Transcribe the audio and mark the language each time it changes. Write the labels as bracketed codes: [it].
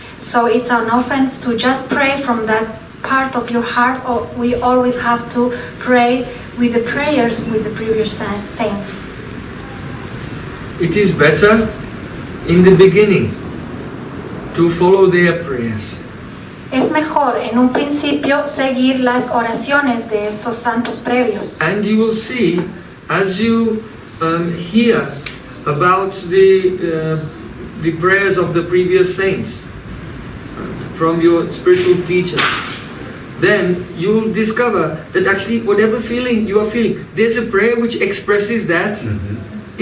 [en] So it's an offense to just pray from that part of your heart, or we always have to pray with the prayers with the previous saints. It is better in the beginning to follow their prayers. [es] Es mejor en un principio seguir las oraciones de estos santos previos. [en] And you will see, as you hear about the prayers of the previous saints from your spiritual teacher, then you will discover that actually whatever feeling you are feeling, there's a prayer which expresses that. Mm-hmm.